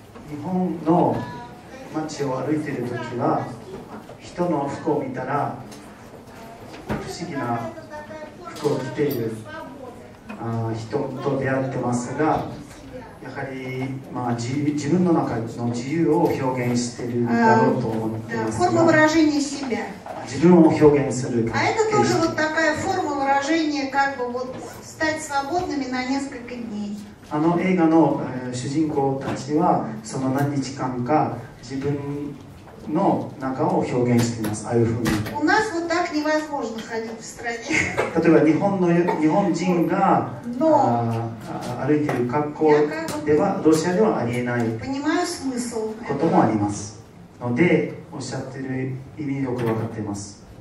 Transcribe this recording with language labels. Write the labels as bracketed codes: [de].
[ja] 日本の街を歩いているときは、人の服を見たら不思議な服を着ている人と出会ってますが、やはり、まあ、自分の中の自由を表現しているだろうと思っていますが、 [ru] форма выражения себя. [ja] 自分を表現する。 [ru] あ、это тоже вот такая форма выражения, как бы вот стать свободными на несколько дней. [ja] 映画の主人公たちはその何日間か自分の中を表現しています。ああいうふうに例えば日本人が歩いている格好ではロシアではありえないこともありますので、おっしゃってる意味よく分かっています。